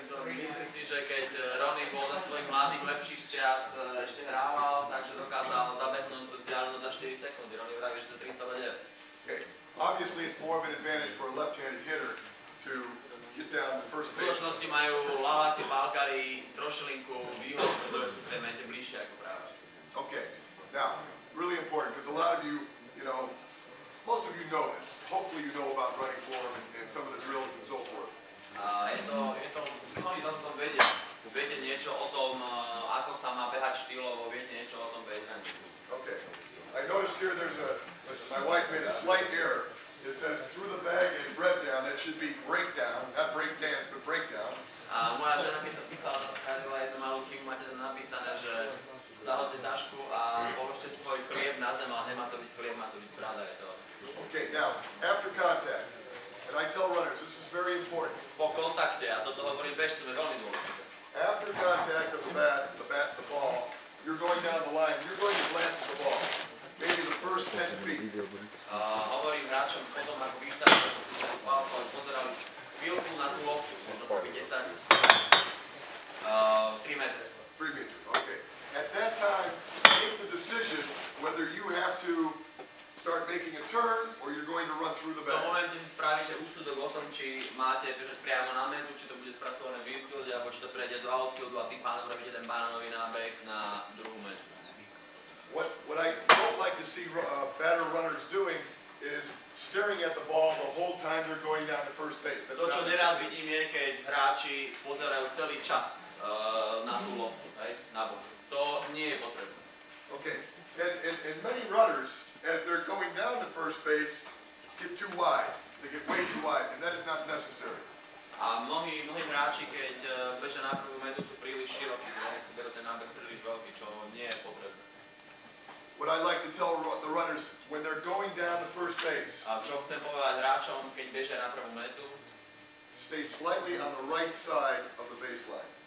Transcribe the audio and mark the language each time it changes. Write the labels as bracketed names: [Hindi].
[Slovak] Myslím si, že keď Ronnie bol za svojich mladých lepších čas ešte hrával, takže dokázal zabehnúť tú vzdialenosť za 4 sekundy. Ronnie vraví, že to 39. [English] Okay. Obviously it's more of an advantage for a left-handed hitter to get down the first base. [Slovak] V skutočnosti majú ľaváci balkári trošilinku výhodu, pretože sú tej mete bližšie ako práváci. [English] Okay. Now, really important, because a lot of you, you know, most of you know this. Hopefully you know about running form and some of the drills and so forth. [Slovak] Mnohí sa o tom vedia. Viete niečo o tom, ako sa má behať štýlovo, viete niečo o tom bejtraní. [English] Okay. I noticed here there's my wife made a slight error. It says through the bag and breakdown. That should be breakdown, not breakdance, but breakdown. [Slovak] A moja žena, keď to písala, to spravila jednu malú chybu, máte to napísané, že zahodte tašku a položte svoj chlieb na zem, ale nemá to byť chlieb, má to byť pravda, je to. [English] Okay, now, after contact. And I tell runners, this is very important. [Slovak] Po kontakte, a toto hovorím bežcom, je veľmi dôležité. [English] After contact of the bat, the ball, you're going down the line, you're going to glance at the ball. Maybe the first 10 feet. [Slovak] Hovorím hráčom, potom ako vyštartujem tú palku, ale pozerám chvíľku na tú loptu, možno po 10 3 metre. 3 metre, okay. [English] At that time, make the decision whether you have to start making a turn or you're going to run through the bag. [Slovak] V momente, keď spravíte úsudok o tom, či máte bežať priamo na metu, či to bude spracované v infielde, alebo či to prejde do outfieldu a tým pádom robíte ten banánový nábeh na druhú metu. [English] What I don't like to see batter runners doing is staring at the ball the whole time they're going down to first base. [Slovak] To, čo nerád vidím, je, keď hráči pozerajú celý čas na tú loptu, na bok. To nie je potrebné. Okay. [English] And many runners, as they're going down to first base, get too wide. They get way too wide, and that is not necessary. [Slovak] A mnohí hráči, keď bežia na prvú metu, sú príliš široký, mnohí si berú ten nábeh príliš veľký, čo nie je potrebné. [English] What I like to tell the runners, when they're going down to first base, [Slovak] a čo chcem povedať hráčom, keď bežia na prvú metu, [English] stay slightly on the right side of the baseline.